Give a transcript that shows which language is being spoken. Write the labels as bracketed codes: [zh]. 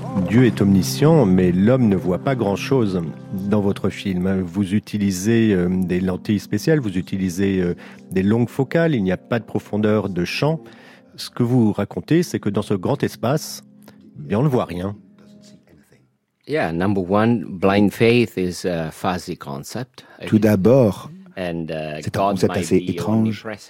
[fr] Dieu est omniscient, mais l'homme ne voit pas grand-chose dans votre film. Vous utilisez des lentilles spéciales, vous utilisez des longues focales, il n'y a pas de profondeur de champ. Ce que vous racontez, c'est que dans ce grand espace, bien, on ne voit rien. [en] Yeah, number one, blind faith is a fuzzy concept. [fr] Tout d'abord, c'est un concept assez étrange.